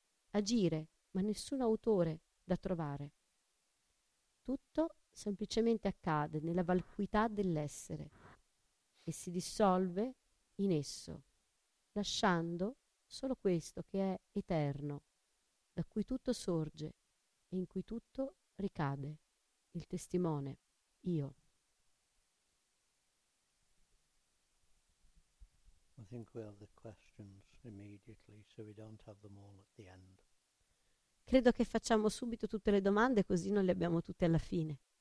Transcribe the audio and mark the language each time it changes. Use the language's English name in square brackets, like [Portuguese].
[Italian] Agire, ma nessun autore da trovare. Tutto semplicemente accade nella vacuità dell'essere e si dissolve in esso, lasciando solo questo che è eterno, da cui tutto sorge e in cui tutto ricade, il testimone, io. [English] I think we have the questions immediately, so we don't have them all at the end. [Italian] Credo che facciamo subito tutte le domande, così non le abbiamo tutte alla fine.